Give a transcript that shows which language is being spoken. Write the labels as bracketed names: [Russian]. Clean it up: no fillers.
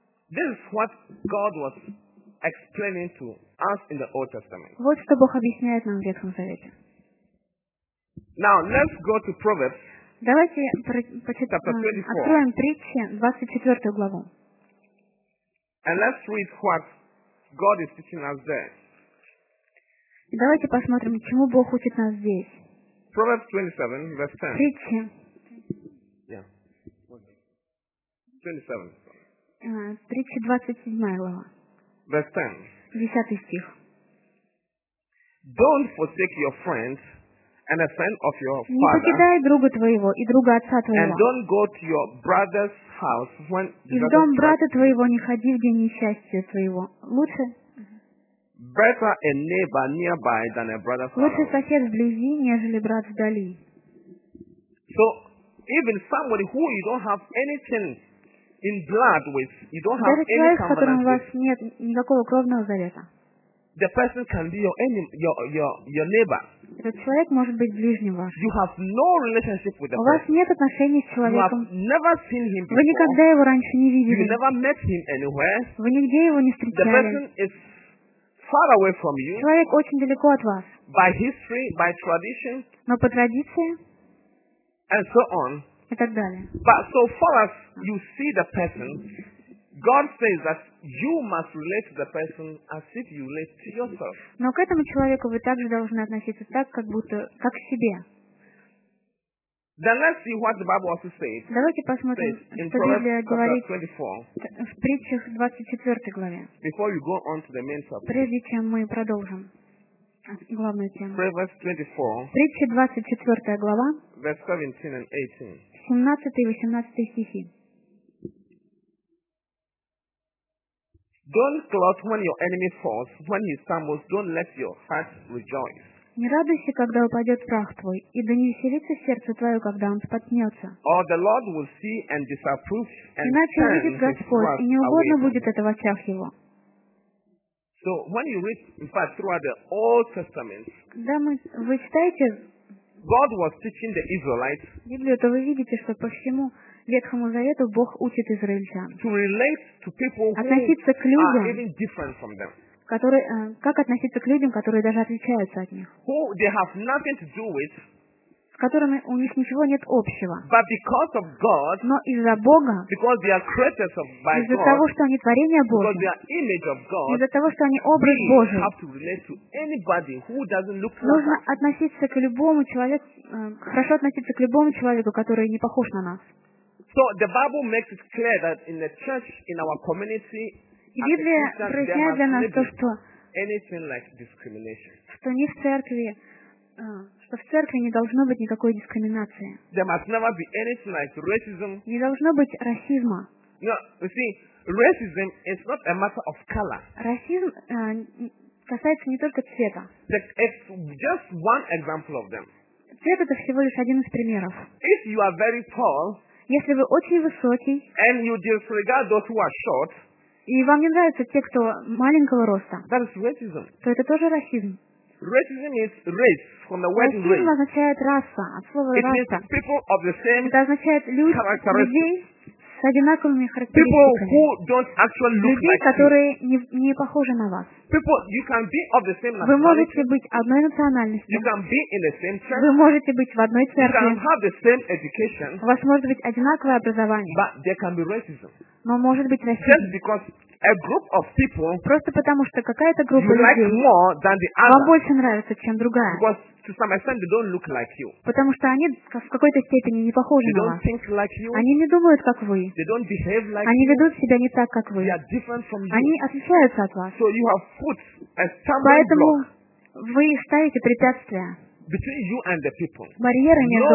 [English] This is what God was explaining to us in the Old Testament. [Russian] Вот что Бог объясняет нам в Ветхом Завете. [English] Now let's go to Proverbs. [Russian] Давайте откроем притчи, 24 главу. [English] And let's read what God is teaching us there. [Russian] И давайте посмотрим, чему Бог учит нас здесь. [English] Proverbs 27, verse 10. [Russian] Притчи. Притчи 27 глава. [English] Verse 10. [Russian] 10 стих. [English] Don't forsake your friends. And a friend of your father. [Russian] Не покидай друга твоего и друга отца твоего. [English] And don't go to your brother's house when [Russian] и в дом брата твоего не ходи в день несчастья твоего. Лучше. [English] Better a neighbor nearby than a brother far [Russian] Лучше сосед вблизи, нежели брат вдали. [English] So even somebody who you don't have anything in blood with, you don't have [Russian] даже человек, с которым у вас нет никакого кровного завета. [English] The person can be your enemy, your neighbor. [Russian] Этот человек может быть ближним вашим. [English] You have no relationship with the [Russian] У вас нет отношений с человеком. [English] You have never seen him before. [Russian] Вы никогда его раньше не видели. [English] You never met him anywhere. [Russian] Вы нигде его не встречали. [English] The person is far away from you. [Russian] Человек очень далеко от вас. [English] By history, by tradition. [Russian] Но по традиции. [English] And so on. [Russian] И так далее. [English] But so far as you see the person, God says that you must relate to the person as if you relate to yourself. [Russian] Но к этому человеку вы также должны относиться так, как будто как к себе. [English] Then let's see what the Bible also says. [Russian] Давайте посмотрим, что Библия говорит в притчах 24 главе. [English] Before we go on to the main topic. [Russian] Прежде чем мы продолжим главную тему. [English] Proverbs 24. [Russian] Притчи 24 глава. [English] Verse 17 and 18. [Russian] 17-18 стихи. [English] Don't gloat when your enemy falls, when he stumbles, don't let your heart rejoice. [Russian] Не радуйся, когда упадет прах твой, и да не веселится сердце твое, когда он споткнется. [English] Or the Lord will see and disapprove and [Russian] иначе увидит Господь, и неугодно будет это в очах его. [English] So when you read, in fact, throughout the Old Testament, [Russian] когда вы читаете, [English] God was teaching the Israelites, [Russian] Библию, то вы видите, что по всему Ветхому Завету Бог учит израильтян [English] to relate to people who [Russian] относиться к людям, [English] are even different from them. [Russian] Которые, как относиться к людям, которые даже отличаются от них, [English] who they have nothing to do with, [Russian] с которыми у них ничего нет общего. [English] But because of God, [Russian] но из-за Бога, [English] because they are creatures of, by [Russian] из-за [English] God, [Russian] того, что они творение Божие, [English] because they are image of God, [Russian] из-за того, что они образ Божий, [English] have to relate to anybody who doesn't look [Russian] нужно [English] like [Russian] относиться к любому человеку, хорошо относиться к любому человеку, который не похож на нас. [English] So the Bible makes it clear that in the church, in our community, [Russian] Библия проясняет для нас то, что, [English] like [Russian] что не в церкви, что в церкви не должно быть никакой дискриминации. [English] There must never be anything like racism. [Russian] Не должно быть расизма. [English] No, you see, racism is not a matter of color. [Russian] Расизм касается не только цвета. [English] It's just one example of them. [Russian] Цвет — это всего лишь один из примеров. [English] If you are very tall, [Russian] если вы очень высокий, [English] and you disregard those who are short, [Russian] и вам не нравятся те, кто маленького роста, [English] that is racism. [Russian] То это тоже расизм. [English] Racism is race, from the word race. [Russian] Расизм означает раса, от слова [English] it [Russian] раса. [English] Means people of the same, [Russian] это означает людей с одинаковыми характеристиками. [English] People who don't actually look [Russian] людей, [English] like [Russian] которые [English] you. [Russian] Не похожи на вас. [English] People, you can be of the same [Russian] вы можете быть одной национальности. [English] You can be in the same church. [Russian] Вы можете быть в одной церкви. [English] You can have the same education. [Russian] У вас может быть одинаковое образование. [English] But there can be racism. [Russian] Но может быть расизм. [English] Just because a group of people, [Russian] просто потому что какая-то группа [English] you like [Russian] людей [English] more than the other, [Russian] вам больше нравится, чем другая. [English] Because to some extent they don't look like you. [Russian] Потому что они в какой-то степени не похожи [English] they don't [Russian] вас. [English] Think like you. [Russian] Они не думают, как вы. [English] They don't behave like [Russian] они [English] you. [Russian] Ведут себя не так, как вы. [English] They are different from you. [Russian] Они отличаются от вас. [English] So you have put a stumbling block. [Russian] Поэтому вы ставите препятствия. [English] Between you and the people. [Russian] Барьеры между